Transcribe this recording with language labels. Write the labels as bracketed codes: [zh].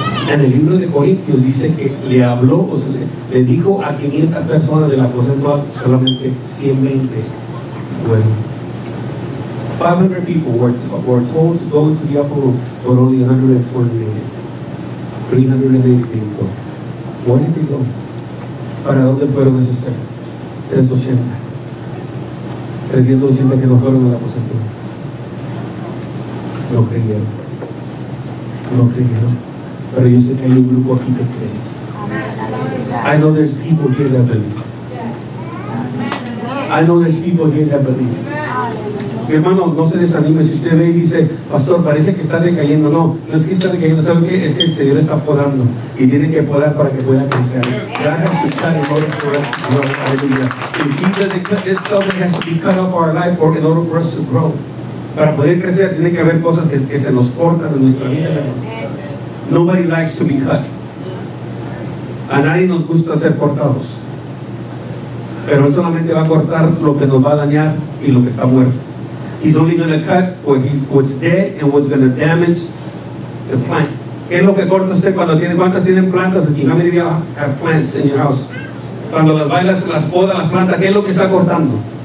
[es] En el libro de Corintios dice que le habló, o sea, le dijo a 500 personas del aposento alto, solamente 120 fueron. [en] 500 people were told to go into the upper room, but only 380. Where did they go? [es] ¿Para dónde fueron esos 380? 380 que no fueron a la fosa común. No creyeron. No creyeron. Pero yo sé que hay un grupo aquí que cree. [en] I know there's people here that believe. I know there's people here that believe. [es] Mi hermano, no se desanime si usted ve y dice, pastor, parece que está decayendo. No, no es que está decayendo, ¿sabe qué? Es que el Señor está podando y tiene que podar para que pueda crecer. [en] God has to cut in order for us to grow. Hallelujah. If he doesn't cut this stuff, it has to be cut off our life in order for us to grow. [es] Para poder crecer, tiene que haber cosas que se nos cortan de nuestra vida. [en] Nobody likes to be cut. [es] A nadie nos gusta ser cortados. Pero él solamente va a cortar lo que nos va a dañar y lo que está muerto. [en] He's only going to cut what's dead and what's going to damage the plant. [es] ¿Qué es lo que corta usted cuando tiene? ¿Cuántas tienen plantas aquí? [en] How many of you have plants in your house? [es] Cuando las bailas, las podas, las plantas, ¿qué es lo que está cortando?